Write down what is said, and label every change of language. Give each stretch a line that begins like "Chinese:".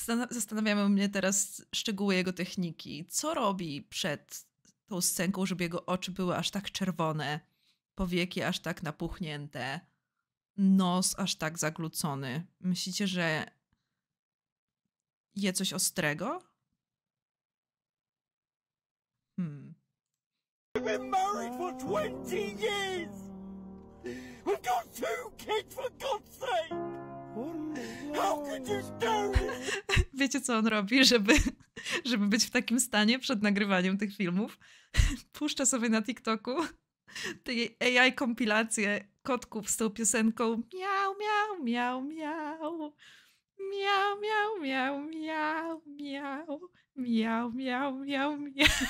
Polish: Zastanawiamy mnie teraz szczegóły jego techniki. Co robi przed tą scenką, żeby jego oczy były aż tak czerwone, powieki aż tak napuchnięte, nos aż tak zaglucony? Myślicie, że je coś ostrego?
English: I've been married for 20 years! We've got two kids, for God's sake! How could you do it?
Polish: Wiecie, co on robi, żeby być w takim stanie przed nagrywaniem tych filmów? Puszcza sobie na TikToku te AI kompilacje kotków z tą piosenką miau, miau, miau, miau. Miau, miau, miau, miau, miau. Miau, miau, miau, miau.